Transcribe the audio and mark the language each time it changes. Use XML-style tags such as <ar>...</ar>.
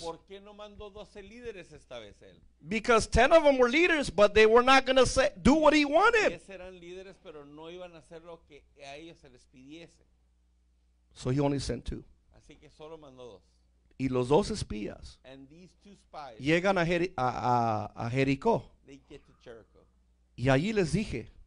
<es>¿Por qué no mandó 12 líderes esta vez él?</es> <en>Because 10 of them were leaders, but they were not going to say do what he wanted.</en> <es>Eran líderes, pero no iban a hacer lo que a ellos se les pidiese.</es> <en>So he only sent two.</en> <es>Así que solo mandó dos. Y los dos espías llegan a Jericó.</es> <en>They get to Jericho.</en> <es>Y allí les dije,</es>